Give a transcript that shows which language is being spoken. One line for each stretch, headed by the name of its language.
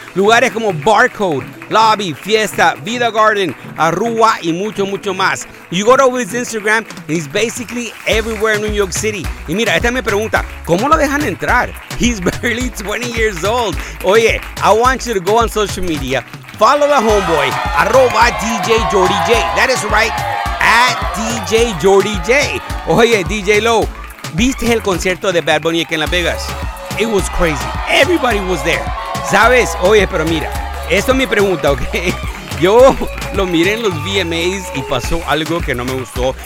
Spanish: Lugares como Barcode, Lobby, Fiesta, Vida Garden, Arrua y mucho, mucho más.
English: You go to his Instagram, and he's basically everywhere in New York City.
Spanish: Y mira, esta me pregunta, ¿cómo lo dejan entrar?
English: He's barely 20 years old. Oye, I want you to go on social media, follow the homeboy, @ DJ Jordi J. That is right, @ DJ Jordi J.
Spanish: Oye, DJ Low, ¿viste el concierto de Bad Bunny aquí en Las Vegas?
English: It was crazy. Everybody was there.
Spanish: ¿Sabes? Oye, pero mira, esto es mi pregunta, ¿ok? Yo lo miré en los VMAs y pasó algo que no me gustó.